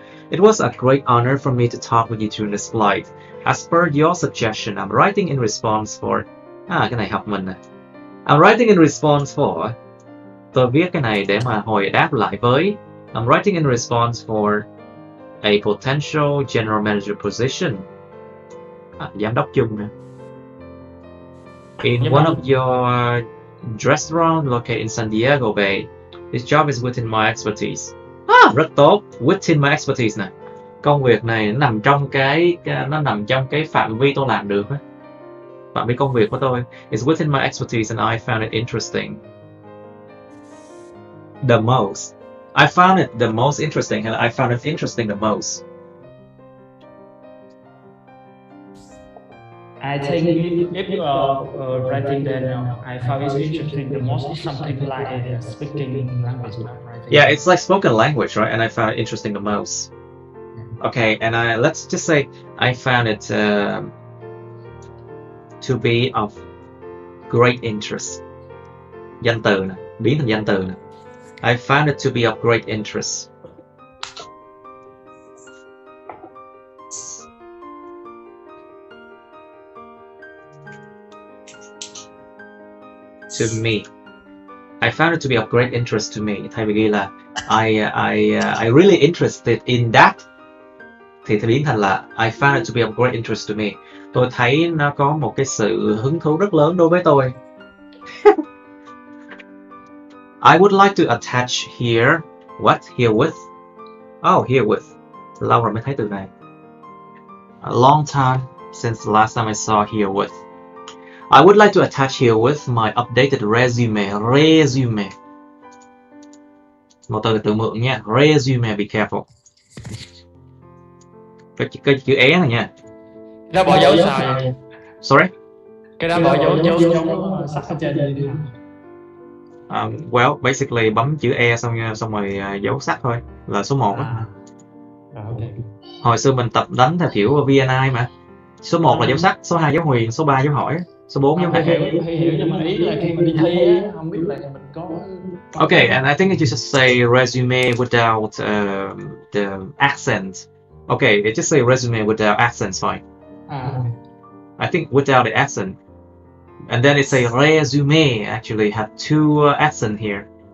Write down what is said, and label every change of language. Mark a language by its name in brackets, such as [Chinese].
[English] It was a great honor for me to talk with you during this flight. As per your suggestion, I'm writing in response for... [Vietnamese] Ah, cái này học mình nè. [English] I'm writing in response for... [Vietnamese] Tôi viết cái này để mà hồi đáp lại với... [English] I'm writing in response for a potential general manager position. [Vietnamese] Giám đốc chung nè. [English] In one of your restaurants located in San Diego Bay, this job is within my expertise. [Vietnamese] Ah, rất tốt. [English] Within my expertise [Vietnamese] nè. Công việc này nó nằm trong cái phạm vi tôi làm được á. Phạm vi công việc của tôi. [English] It's within my expertise and I found it interesting. The most. I found it the most interesting and I found it interesting the most. I think if you are writing then I found it interesting the most is something like speaking language. Yeah, it's like spoken language, right? And I found it interesting the most. Okay, and let's just say I found it to be of great interest. [Vietnamese] Danh từ nè, biến thành danh từ nè. [English] I found it to be of great interest. To me. I found it to be of great interest to me. [Vietnamese] Thay vì ghi là [English] I really interested in that. [Vietnamese] Thì biến thành là [English] I found it to be of great interest to me. [Vietnamese] Tôi thấy nó có một cái sự hứng thú rất lớn đối với tôi. [English] I would like to attach here. What? Here with? Oh, here with. [Vietnamese] Lâu rồi mới thấy từ này. [English] A long time since the last time I saw here with. I would like to attach here with my updated resume. Resume. [Vietnamese] một từ từ mượn nha, resume, [English] be careful. [Vietnamese] Cái chữ é này nha. Đã bỏ dấu sao? [English] Sorry. [Vietnamese] Cái đã bỏ dấu dấu dấu sao chưa đi. [English] Well, basically [Vietnamese] bấm chữ E xong xong rồi dấu sắc thôi, là số 1 á. [English] Okay. [Vietnamese] Hồi xưa mình tập đánh theo kiểu VNI mà. Số 1 là dấu sắc, số 2 dấu huyền, số 3 dấu hỏi, số 4 dấu hai. Hiểu nhưng mà ý là khi mình đi thi á, không biết là mình có. [English] Okay, and I think that you should say resume without the accent. Okay, it just say resume without accent, fine. I think without the accent. And then it's a resume, actually, had two accents here.